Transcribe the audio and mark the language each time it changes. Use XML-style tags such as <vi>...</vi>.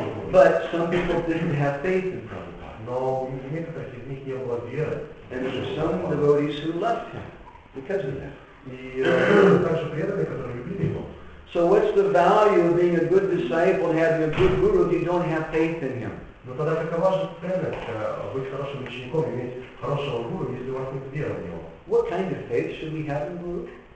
<en>But some people didn't have faith in Prabhupada. And there were some devotees who left him because of that. So what's the value of being a good disciple and having a good guru if you don't have faith in him?</en> <ru>Но тогда какова же ценность быть хорошим учеником, иметь хорошего гуру, если у вас нет веры в него?</ru> <en>What kind of faith should we have in guru?</en>